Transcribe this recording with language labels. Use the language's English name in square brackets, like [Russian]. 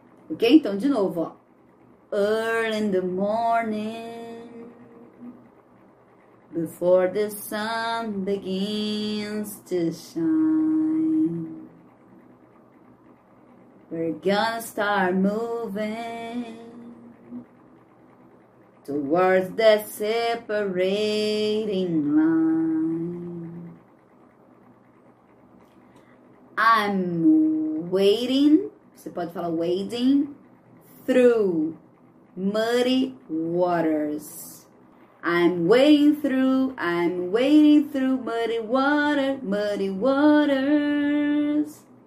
[Portuguese] Ok, então de novo, ó. [English] Early in the morning, before the sun begins to shine, we're gonna start moving towards that separating line. I'm wading, [Portuguese] você pode falar [English] wading, through muddy waters. I'm wading through muddy waters.